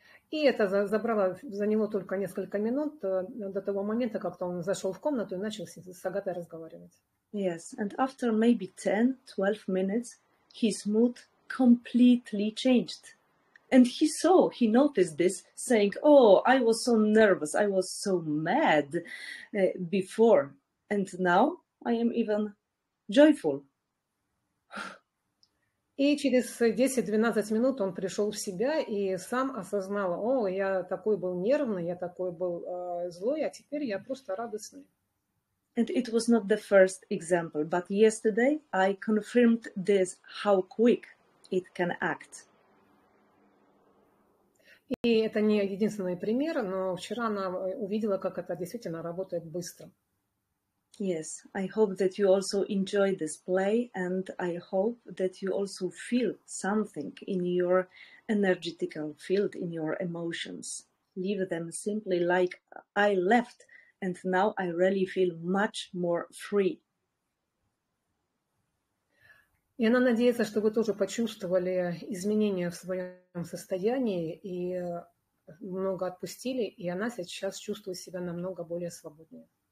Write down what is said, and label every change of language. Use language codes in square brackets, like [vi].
[ru] И это забрало за него только несколько минут до того момента, как он зашел в комнату и начал с Агатой разговаривать. [en] Yes, and after maybe 10-12 minutes, his mood completely changed. And he noticed this, saying, oh, I was so nervous, I was so mad before, and now I am even joyful. [ru] И через 10-12 минут он пришел в себя и сам осознал, о, я такой был нервный, я такой был злой, а теперь я просто радостный. [en] And it was not the first example, but yesterday I confirmed this, how quick it can act. [ru] И это не единственный пример, но вчера она увидела, как это действительно работает быстро. [en] Yes, I hope that you also enjoy this play, and I hope that you also feel something in your energetical field, in your emotions. Leave them simply like I left, and now I really feel much more free. [ru] И она надеется, что вы тоже почувствовали изменения в своем состоянии и много отпустили, и она сейчас чувствует себя намного более свободнее.